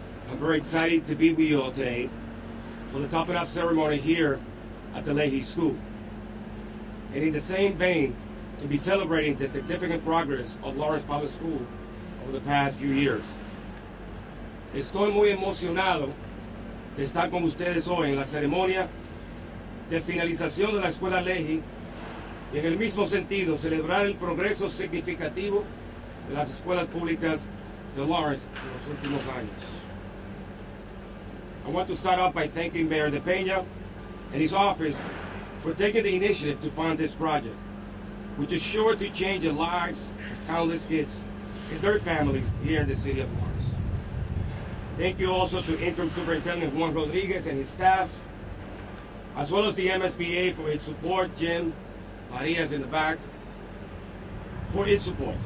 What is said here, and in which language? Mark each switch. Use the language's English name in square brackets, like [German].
[English] I'm very excited to be with you all today for the top it off ceremony here at the Leahy School. And in the same vein, to be celebrating the significant progress of Lawrence Public School over the past few years. [Spanish] Estoy muy emocionado de estar con ustedes hoy en la ceremonia de finalización de la Escuela Leahy. Y en el mismo sentido, celebrar el progreso significativo de las escuelas públicas de Lawrence en los últimos años. [English] I want to start off by thanking Mayor DePena and his office for taking the initiative to fund this project, which is sure to change the lives of countless kids and their families here in the city of Lawrence. Thank you also to Interim Superintendent Juan Rodriguez and his staff, as well as the MSBA for its support, Jim, Maria's in the back, for its support.